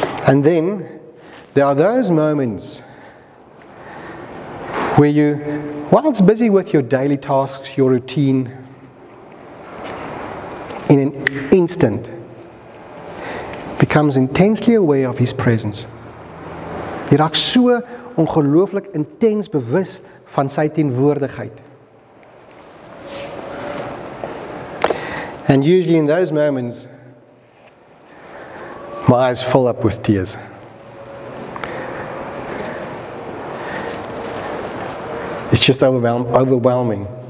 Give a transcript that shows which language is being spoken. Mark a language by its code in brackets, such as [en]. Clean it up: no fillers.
[en] And then there are those moments where you, whilst busy with your daily tasks, your routine, in an instant becomes intensely aware of His presence. [af] Jy raak so ongelooflik intens bewus van sy teenwoordigheid. [en] And usually in those moments, my eyes fill up with tears. It's just overwhelming.